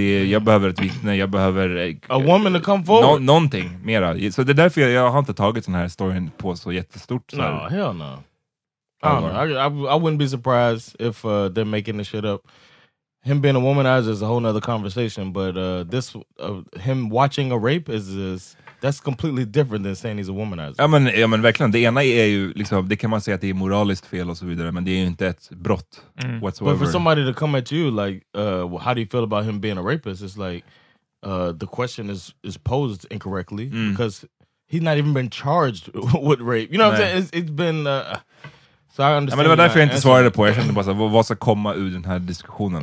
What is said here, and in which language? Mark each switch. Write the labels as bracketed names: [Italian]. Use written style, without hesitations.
[Swedish] Jag behöver ett vittne, jag behöver... [English] A woman to come forward. [Swedish] Någonting mera. Så det är därför jag har inte tagit den här storyn på så jättestort. [English] No, hell no. I wouldn't be surprised if they're making this shit up. Him being a womanizer is a whole other conversation, but him watching a rape is that's completely different than saying he's a womanizer. [Swedish] Ja men verkligen, det ena är ju liksom, det kan man säga att det är moraliskt fel och så vidare, men det är ju inte ett brott whatsoever. [English] But for somebody to come at you like how do you feel about him being a rapist? It's like the question is posed incorrectly because he's not even been charged with rape. You know what I'm saying? It's been so I understand. [Swedish] Men det var därför jag inte svarade på. Jag kände bara såhär, vad ska komma ur den här diskussionen?